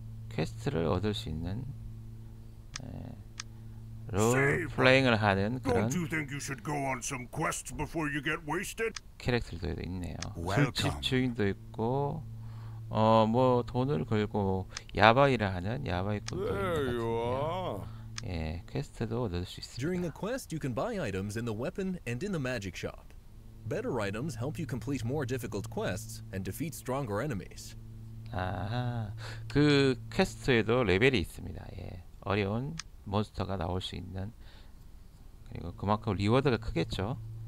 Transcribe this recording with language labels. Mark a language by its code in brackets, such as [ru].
[ko] 퀘스트를 얻을 수 있는 롤 플레잉을 하는 그런 [en] Don't you think you should go on some quests before you get wasted? [ko] 캐릭터도 있네요. 술집 주인도 있고 뭐 돈을 걸고 야바이를 하는 야바이꾼도 있네요. 예, 퀘스트도 얻을 수 있습니다. [en] During a quest, you can buy items in the weapon and in the magic shop. Better items help you complete more difficult quests and defeat stronger enemies. [ko] 아하, 그 퀘스트에도 레벨이 있습니다. 예, 어려운 몬스터가 나올 수 있는 그리고 그만큼 리워드가 크겠죠.